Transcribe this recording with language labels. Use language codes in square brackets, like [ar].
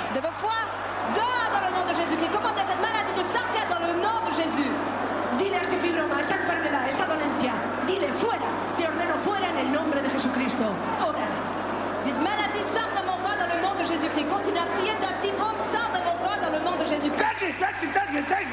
[fr] De vos foi, dehors dans le nom de Jésus-Christ. Commandez cette maladie de sortir dans le nom de Jésus. [es] Dile a ese fibroma, esa enfermedad, esa dolencia. Dile fuera. Te ordeno fuera en el nombre de Jesucristo. Ora. [fr] Cette maladie sort de mon corps dans le nom de Jésus-Christ. Continue à prier de la fibrome sort de mon corps dans le nom de Jésus-Christ.